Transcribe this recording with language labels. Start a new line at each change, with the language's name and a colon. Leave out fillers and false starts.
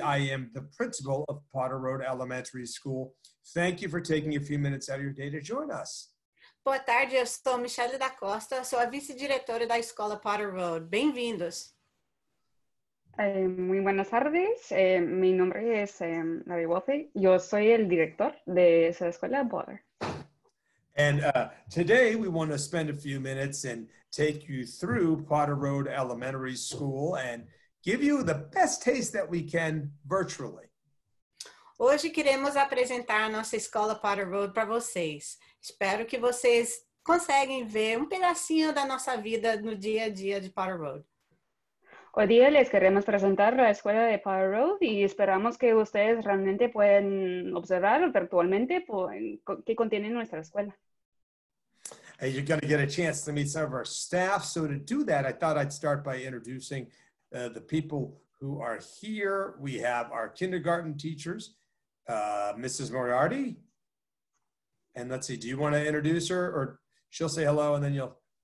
English: I am the principal of Potter Road Elementary School. Thank you for taking a few minutes out of your day to join us.
Portuguese: Boa tarde, eu sou Michelle da Costa, sou a vice-diretora da escola Potter Road. Bem-vindos.
Spanish: Muy buenas tardes. Mi nombre es Larry Walpe. Yo soy el director de esa escuela Potter.
English: And today we want to spend a few minutes and take you through Potter Road Elementary School and give you the best taste that we can virtually.
Portuguese: Hoje queremos apresentar a nossa escola Potter Road para vocês. Espero que vocês conseguem ver um pedacinho da nossa vida no dia a dia de Potter Road.
Spanish: Hoy día les queremos presentar la escuela de Potter Road y esperamos que ustedes realmente puedan observar virtualmente qué contiene nuestra escuela.
English: Hey, you're going to get a chance to meet some of our staff. So to do that, I thought I'd start by introducing the people who are here. We have our kindergarten teachers, Mrs. Moriarty. And let's see, do you want to introduce her or she'll say hello and then you'll...